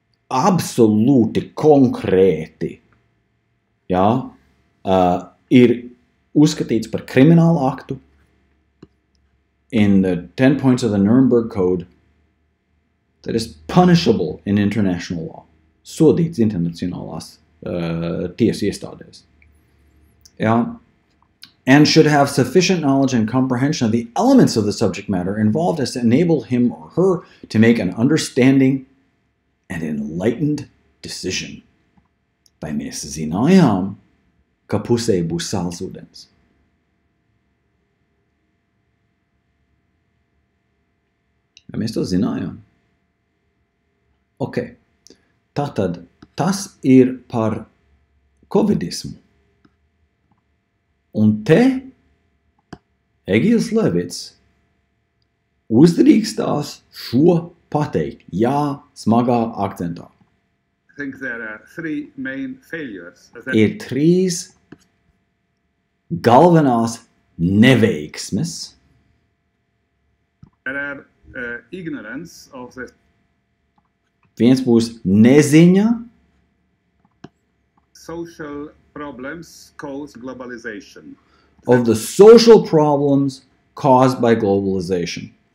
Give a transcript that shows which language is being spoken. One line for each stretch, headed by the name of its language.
Latvian: Absolūti konkrēti, ja, ir uzskatīts par kriminālu aktu
English: in the 10 points of the Nuremberg Code that is punishable in international law.
Latvian: Sodīts internacionālās tiesu iestādēs. Ja?
English: And should have sufficient knowledge and comprehension of the elements of the subject matter involved as to enable him or her to make an understanding and enlightened decision.
Latvian: Vai mēs zinājām, ka pusē būs sālsūdens? Vai mēs to zinājām? Ok. Tātad, tas ir par covidismu. Un te Egils Levits uzdrīkstās šo pateikt, jā, smagā akcentā.
English: I think there are three main failures.
Latvian: Ir trīs galvenās neveiksmes.
English: There are ignorance of the...
Latvian: Viens būs neziņa.
English: Social problems caused globalization. Of the social problems caused by globalization.